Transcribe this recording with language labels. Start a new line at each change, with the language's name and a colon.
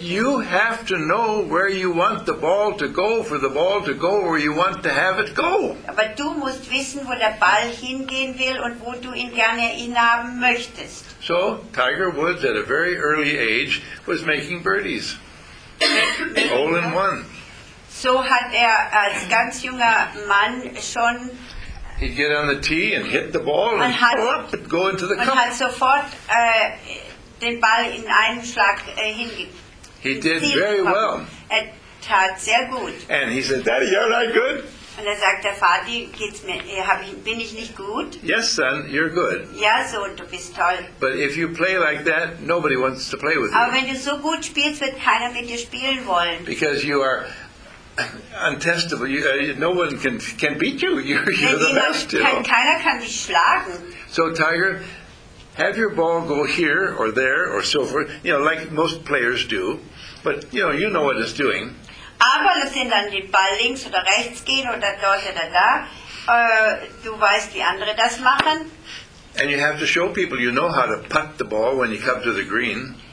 English: But you have to know where you want the ball to go for the ball to go where you want to have it go.
German: Aber du musst wissen, wo der Ball hingehen will und wo du ihn gerne haben möchtest.
English: So Tiger Woods at a very early age was making birdies. Hole in one.
German: So hat als ganz junger Mann schon.
English: He'd get on the tee and hit the ball and go into the cup.
German: Und hat sofort den Ball in einem Schlag hingegeben.
English: He did very well.
German: Er tat sehr gut.
English: And he said, "Daddy, you're not good."
German: Und sagt der Vati, geht's mir? Bin ich nicht gut?
English: Yes, son, you're good.
German: Ja, Sohn, du bist toll.
English: But if you play like that, nobody wants to play with
German: Aber
English: you.
German: Aber wenn du so gut spielst, wird keiner mit dir spielen wollen.
English: Because you are untestable. No one can beat you. You're the best.
German: Keiner kann dich schlagen.
English: So Tiger, have your ball go here or there or so forth. You know, like most players do. But you know what it's doing.
German: Aber lass ihn dann den Ball links oder rechts gehen oder dort oder da. Du weißt, wie andere das machen.
English: And you have to show people you know how to putt the ball when you come to the green.